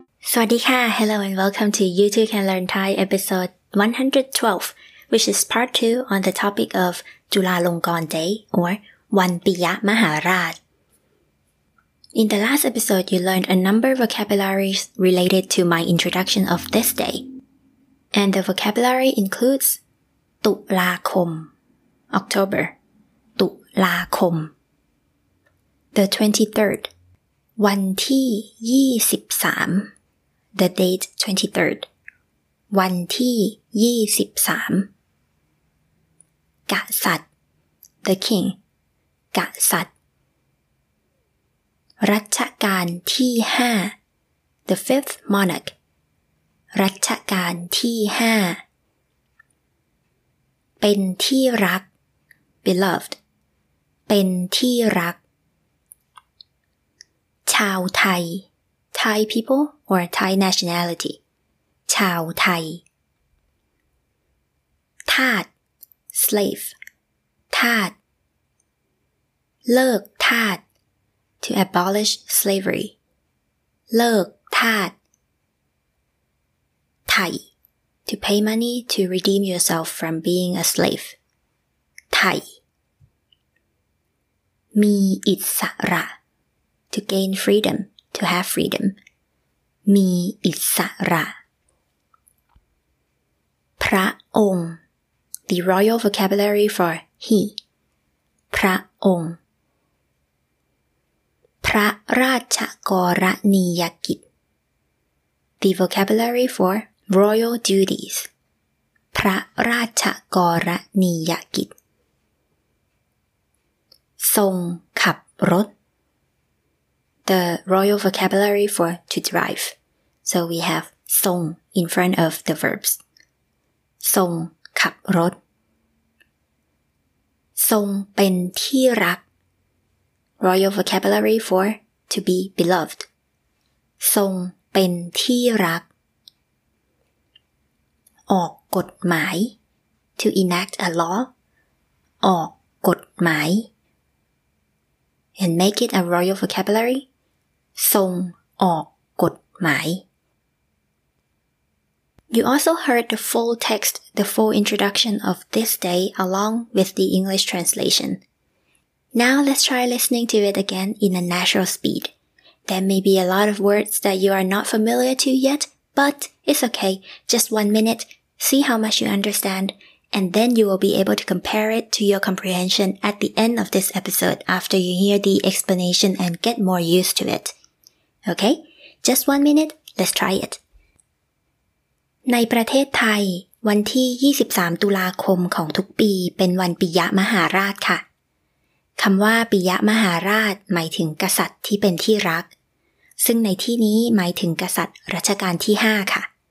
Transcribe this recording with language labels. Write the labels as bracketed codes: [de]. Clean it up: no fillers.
[th] สวัสดีค่ะ [en] Hello and welcome to You Too Can Learn Thai episode 112 which is part 2 on the topic of จุฬาลงกรณ์ Day or วันปิยมหาราช In the last episode, you learned a number of vocabularies related to my introduction of this day. And the vocabulary includes ตุลาคม October ตุลาคม The 23rd วันที่23The date 23rd. [th] วันที่23กษัตริย์ [en] The king. [th] กษัตริย์รัชกาลที่5 [en] The fifth monarch. [th] รัชกาลที่5เป็นที่รัก Beloved. เป็นที่รักชาวไทย [en] Thai peopleOr Thai nationality. [th] ชาวไทย ทาส slave. ทาส เลิกทาส [en] to abolish slavery. [th] เลิกทาส ไทย [en] to pay money to redeem yourself from being a slave. [th] ไทย มีอิสระ [en] to gain freedom, to have freedom. [th] มีอิสระพระองค์ [en] The royal vocabulary for he [th] พระองค์พระราชกรณียกิจ [en] The vocabulary for royal duties [th] พระราชกรณียกิจ ทรงขับรถ [en] The royal vocabulary for to driveSo we have ทรง in front of the verbs. [th] ทรงขับรถทรงเป็นที่รัก [en] Royal vocabulary for to be beloved. [th] ทรงเป็นที่รักออกกฎหมาย [en] To enact a law. [th] ออกกฎหมาย [en] And make it a royal vocabulary. [th] ทรงออกกฎหมาย [en] You also heard the full text, the full introduction of this day along with the English translation. Now let's try listening to it again in a natural speed. There may be a lot of words that you are not familiar to yet, but it's okay. Just 1 minute, see how much you understand, and then you will be able to compare it to your comprehension at the end of this episode after you hear the explanation and get more used to it. Okay? Just 1 minute, let's try it. [th] ในประเทศไทยวันที่23ตุลาคมของทุกปีเป็นวันปิยมหาราชค่ะคำว่าปิยมหาราชหมายถึงกษัตริย์ที่เป็นที่รักซึ่งในที่นี้หมายถึงกษัตริย์รัชกาลที่5ค่ะ